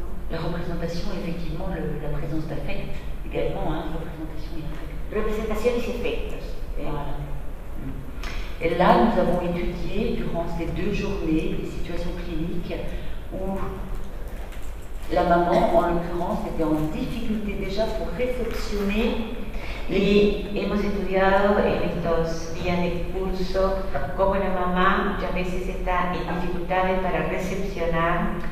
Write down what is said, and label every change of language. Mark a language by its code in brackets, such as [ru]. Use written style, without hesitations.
[es] la representación efectivamente la presencia de afecto [fr] également hein, [es] representación y afecto representaciones y efectos [fr] voilà. Et là nous avons étudié durant ces deux journées les situations cliniques où la maman, en l'occurrence, était en difficulté déjà pour réceptionner. [es] Y hemos estudiado en estos días de curso cómo la mamá muchas veces está en dificultades para recepcionar